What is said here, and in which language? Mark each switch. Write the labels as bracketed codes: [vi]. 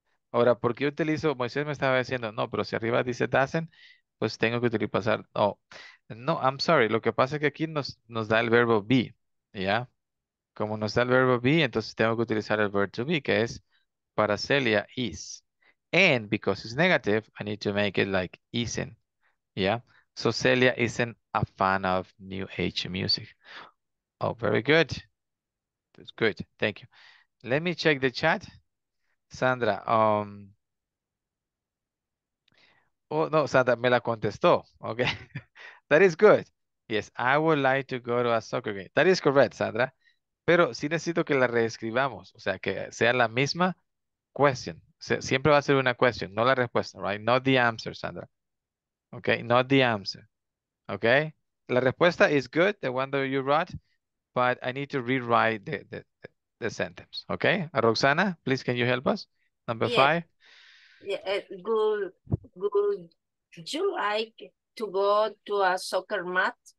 [es] Ahora, ¿por qué utilizo? Moisés me estaba diciendo, no, pero si arriba dice doesn't, pues tengo que utilizar. [en] Oh, no, I'm sorry. [es] Lo que pasa es que aquí nos da el verbo be, ¿ya? Como nos da el verbo be, entonces tengo que utilizar el verb to be, que es para Celia is. [en] And because it's negative, I need to make it like isn't. Yeah? So Celia isn't a fan of New Age music. Oh, very good. That's good. Thank you. Let me check the chat. Sandra. [es] Oh, no, Sandra me la contestó. [en] Okay. That is good. Yes, I would like to go to a soccer game. That is correct, Sandra. [es] Pero sí necesito que la reescribamos, o sea, que sea la misma question. Siempre va a ser una question, no la respuesta, right? [en] Not the answer, Sandra. Okay, not the answer. Okay? [es] La respuesta [en] is good, the one that you wrote, but I need to rewrite the sentence, okay? Roxana, please, can you help us? Number yeah. five. Yeah, would you like to go to a soccer mat?